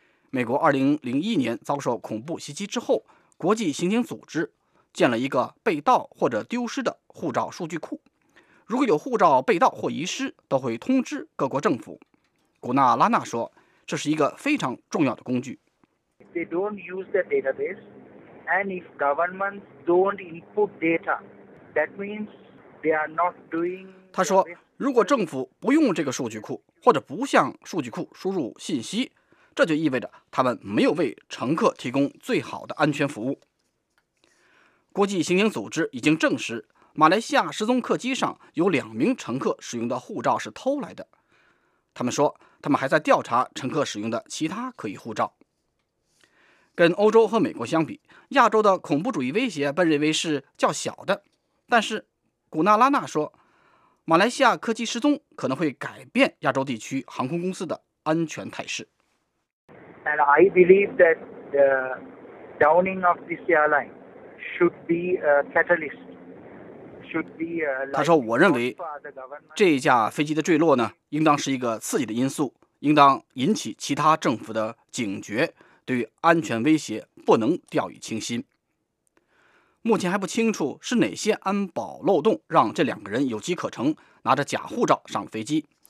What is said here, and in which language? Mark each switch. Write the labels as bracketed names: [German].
[Chinese] 美国2001年遭受恐怖袭击之后，国际刑警组织建了一个被盗或者丢失的护照数据库，如果有护照被盗或遗失，都会通知各国政府。古纳拉纳说，这是一个非常重要的工具。 [English] They don't use the database. And if governments don't input data, that means they are not doing. [Chinese] 他说，如果政府不用这个数据库，或者不向数据库输入信息，这就意味着他们没有为乘客提供最好的安全服务。国际刑警组织已经证实，马来西亚失踪客机上有两名乘客使用的护照是偷来的。他们说，他们还在调查乘客使用的其他可疑护照。跟欧洲和美国相比，亚洲的恐怖主义威胁被认为是较小的，但是古纳拉纳说，马来西亚客机失踪可能会改变亚洲地区航空公司的安全态势。 [English] And I believe that the downing of this airline should be a catalyst, should be a. [Chinese] 他说，我认为这架飞机的坠落呢，应当是一个刺激的因素，应当引起其他政府的警觉，对于安全威胁不能掉以轻心。目前还不清楚是哪些安保漏洞让这两个人有机可乘，拿着假护照上飞机。